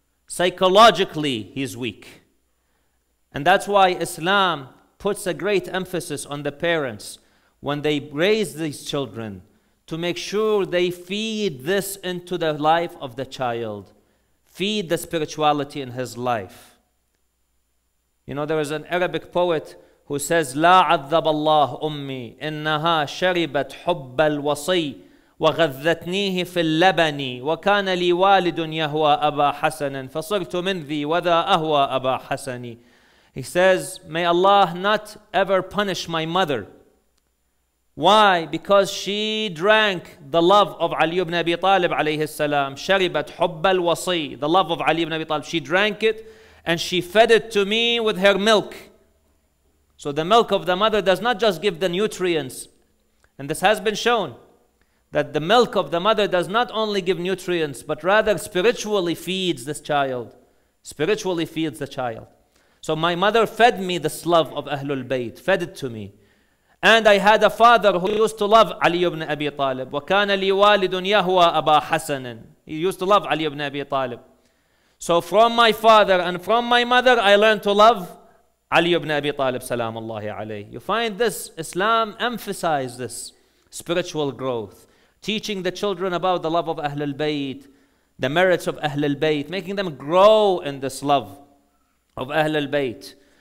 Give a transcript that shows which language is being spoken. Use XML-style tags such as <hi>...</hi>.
<en>Psychologically, he's weak. And that's why Islam puts a great emphasis on the parents when they raise these children, to make sure they feed this into the life of the child, feed the spirituality in his life. You know, there is an Arabic poet who says,</en> <ar>لا عذب الله أمي إنها شربت حب الوصي وغذتنيه في اللبن وكان لي والد يهوى أبا حسن فصرت من ذي وذا أهوى أبا حسن.</ar> <en>He says, may Allah not ever punish my mother. Why? Because she drank the love of Ali ibn Abi Talib alayhi salam.</en> <ar>شربت حب الوصي,</ar> <en>the love of Ali ibn Abi Talib. She drank it and she fed it to me with her milk. So the milk of the mother does not just give the nutrients. And this has been shown that the milk of the mother does not only give nutrients, but rather spiritually feeds this child. Spiritually feeds the child. So my mother fed me this love of Ahlul Bayt, fed it to me. And I had a father who used to love Ali ibn Abi Talib.</en> <ar>وَكَانَ لِي وَالِدٌ يَهُوَ أَبَا حَسَنًا.</ar> <en>He used to love Ali ibn Abi Talib. So from my father and from my mother, I learned to love Ali ibn Abi Talib, salam Allahi alayhi. You find this, Islam emphasized this spiritual growth, teaching the children about the love of Ahlul Bayt, the merits of Ahlul Bayt, making them grow in this love of Ahlul Bayt.</en>